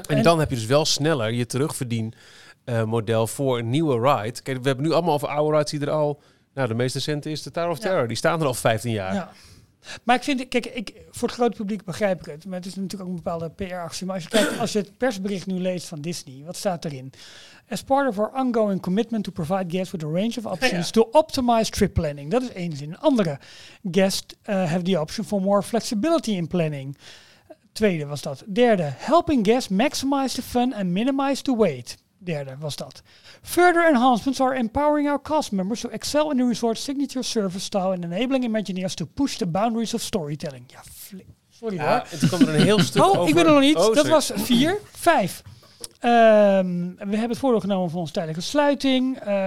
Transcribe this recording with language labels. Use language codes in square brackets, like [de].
[nl] en dan heb je dus wel sneller je terugverdienmodel voor een nieuwe ride. Kijk, we hebben nu allemaal over oude rides die er al... Nou, de meest recente is de Tower of Terror. Die staan er al 15 jaar. Ja. Maar ik vind, kijk, voor het grote publiek begrijp ik het. Maar het is natuurlijk ook een bepaalde PR-actie. Maar als je het persbericht nu leest van Disney, wat staat erin? [en] As part of our ongoing commitment to provide guests with a range of options to optimize trip planning. [nl] Dat is één zin. [en] Andere, guests have the option for more flexibility in planning. [nl] Tweede was dat. [en] Derde, helping guests maximize the fun and minimize the wait. [nl] Derde was dat. [en] Further enhancements are empowering our cast members to excel in the resort's signature service style and enabling Imagineers to push the boundaries of storytelling. [nl] Ja, sorry hoor. Het komt er een heel stuk over. Oh, ik ben er nog niet. Oh, dat was 4. 5. We hebben het voordeel genomen van onze tijdelijke sluiting.